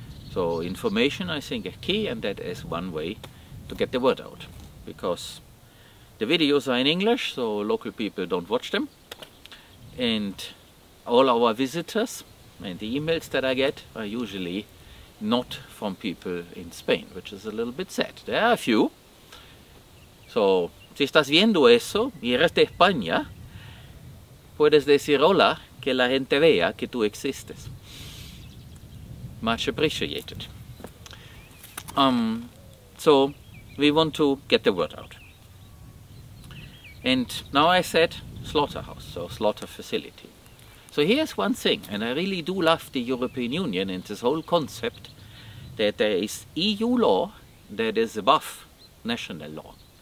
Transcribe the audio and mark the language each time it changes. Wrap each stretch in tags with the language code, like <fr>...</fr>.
<en>So information, I think, is key, and that is one way to get the word out, because the videos are in English, so local people don't watch them, and all our visitors and the emails that I get are usually not from people in Spain, which is a little bit sad. There are a few.</en> <es>So, si estás viendo eso y eres de España, puedes decir hola, que la gente vea que tú existes.</es> <en>Much appreciated. So, we want to get the word out. And now I said slaughterhouse, so slaughter facility. So here's one thing, and I really do love the European Union and this whole concept that there is EU law that is above national law.</en>